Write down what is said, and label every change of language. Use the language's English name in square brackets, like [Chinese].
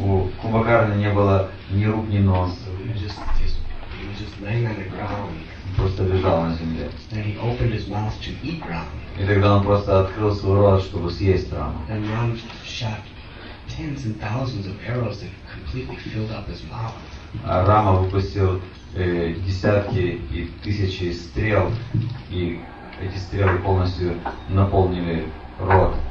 [Russian] У Кумбхакарны не было ни рук, ни ног. [English] So he was just laying on the ground. [Russian] Просто лежал на земле. [English] Then he opened his mouth to eat Rama. [Russian] И тогда он просто открыл свой рот, чтобы съесть Раму. [English] And Rama shot tens and thousands of arrows that completely filled up his mouth. [Russian] А Рама выпустил десятки и тысячи стрел, и эти стрелы полностью наполнили рот.